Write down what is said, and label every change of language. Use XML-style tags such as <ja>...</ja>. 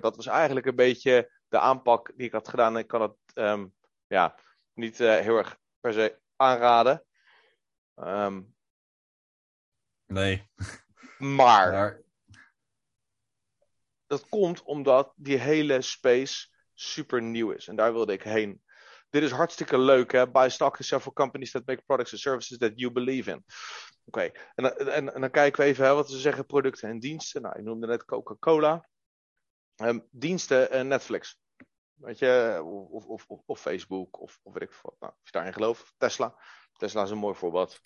<nl>Dat was eigenlijk een beetje de aanpak die ik had gedaan. Ik kan het niet heel erg per se aanraden. Nee. Maar Maar dat komt omdat die hele space super nieuw is. En daar wilde ik heen. Dit is hartstikke leuk, hè?</nl> <en>Buy stock in several companies that make products and services that you believe in.</en> <nl>Oké. Okay. En dan kijken we even, hè, wat ze zeggen, producten en diensten. Nou, ik noemde net Coca-Cola. Diensten en Netflix. Weet je, of Facebook, of weet ik wat. Nou, als je daarin gelooft, Tesla. Tesla is een mooi voorbeeld.</nl>